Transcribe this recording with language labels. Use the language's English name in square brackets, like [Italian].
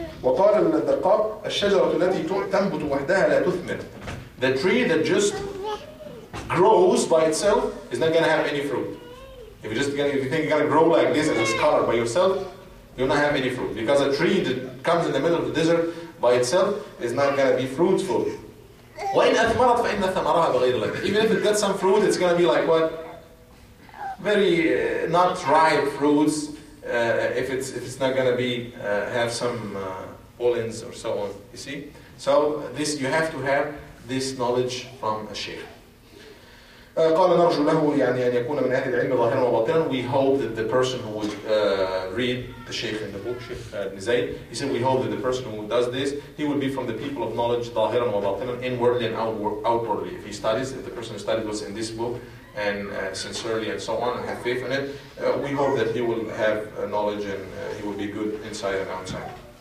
[Arabic] وقال الدقاق الشجرة التي تنبت وحدها لا تثمر. [English] The tree that just grows by itself is not gonna have any fruit. If you think you're gonna grow like this in this color by yourself, you'll not have any fruit. Because a tree that comes in the middle of the desert by itself is not gonna be fruitful. [Arabic] وإن أثمرت فإن ثمرها بغير لك. [English] Even if it got some fruit, it's gonna be like what? Very not ripe fruits. If it's not gonna be have some pollens or so on, you see. So this you have to have this knowledge from a sheikh. [Arabic] قال نرجو له يعني أن يكون من أهل العلم ظاهرا وباطنا. [English] We hope that the person who would read the sheikh in the book, Sheikh Nizaid, he said we hope that the person who does this, he would be from the people of knowledge [Arabic] ظاهرا وباطنا, [English] inwardly and outwardly. If he studies, if the person who studied was in this book. And sincerely and so on, and have faith in it, we hope that he will have knowledge and he will be good inside and outside.